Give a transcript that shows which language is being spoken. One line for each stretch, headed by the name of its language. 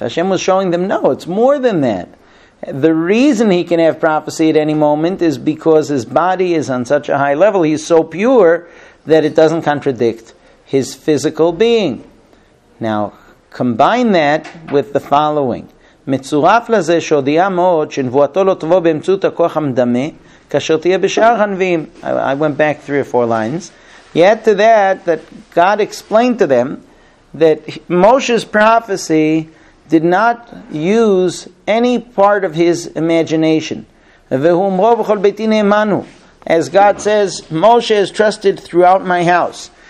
English: Hashem was showing them, no, it's more than that. The reason he can have prophecy at any moment is because his body is on such a high level, he's so pure that it doesn't contradict his physical being. Now, combine that with the following.
Hebrew: מצורף לזה שהודיעה מאוד שנבואתו לא תבוא באמצעות הכוח המדמה כאשר תהיה בשאר הנביאים.
English: I went back three or four lines. Yet to that God explained to them that Moshe's prophecy did not use any part of his imagination.
Hebrew: והומרו בכל ביתי נאמנו.
English: As God says, Moshe is trusted throughout my house.